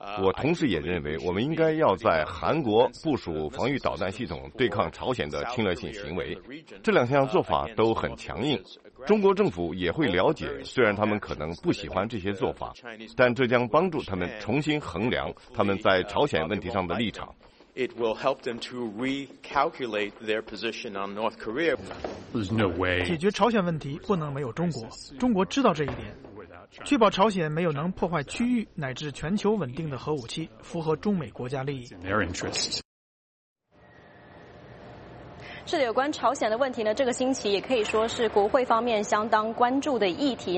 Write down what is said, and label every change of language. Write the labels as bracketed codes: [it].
[zh] 我同时也认为我们应该要在韩国部署防御导弹系统对抗朝鲜的侵略性行为。这两项做法都很强硬，中国政府也会了解，虽然他们可能不喜欢这些做法，但这将帮助他们重新衡量他们在朝鲜问题上的立场。 [en] It will help them to recalculate their position on North Korea. There's no way. [zh] 解决朝鲜问题不能没有中国，中国知道这一点。确保朝鲜没有能破坏区域乃至全球稳定的核武器，符合中美国家利益。是的，有关朝鲜的问题呢，这个星期也可以说是国会方面相当关注的议题。